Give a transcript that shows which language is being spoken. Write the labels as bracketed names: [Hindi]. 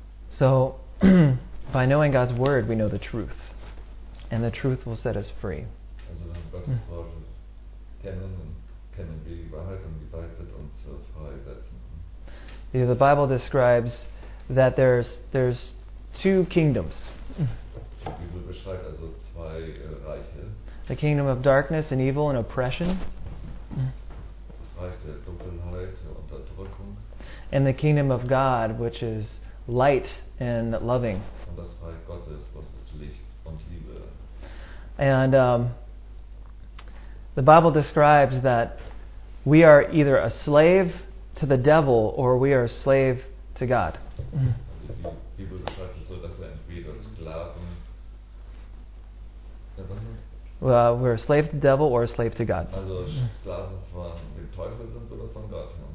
[English] So, by knowing God's word, we know the truth, and the truth will set us free. [German] Also, wenn wir Gottes Wort kennen, können wir die Wahrheit und die Wahrheit wird uns freisetzen. [English] Because the Bible describes that there's two kingdoms. [German] Die Bibel beschreibt also zwei Reiche. [English] The kingdom of darkness and evil and oppression. [German] Das Reich der Dunkelheit und Unterdrückung. [English] And the kingdom of God, which is light and loving. [German] Und das Reich Gottes, was ist Licht und Liebe. [English] And the Bible describes that we are either a slave to the devil or we are a slave to God. [German] Also die Bibel beschreibt es so, dass wir entweder Sklaven. [English] Well, we're a slave to the devil or a slave to God. [German] Also Sklaven von dem Teufel sind oder von Gott.